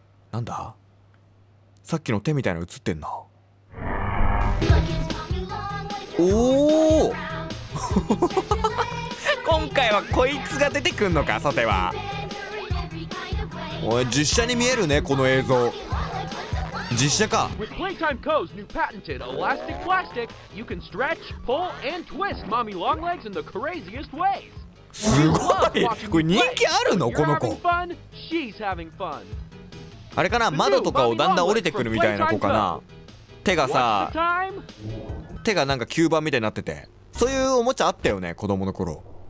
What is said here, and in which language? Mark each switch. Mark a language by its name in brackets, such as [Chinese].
[Japanese] なんだ、さっきの手みたいな映ってんな。おお今回はこいつが出てくんのか。さては、おい、実写に見えるねこの映像。実写か。 [English] With Playtime Co.'s new patented elastic plastic, you can stretch, pull, and twist mommy long legs in the craziest ways. [Japanese] すごい。これ人気あるの、この子。 [English] She's having fun. [Japanese] あれかな、窓とかをだんだん折れてくるみたいな子かな。手がさ、手がなんか吸盤みたいになってて、そういうおもちゃあったよね、子供の頃。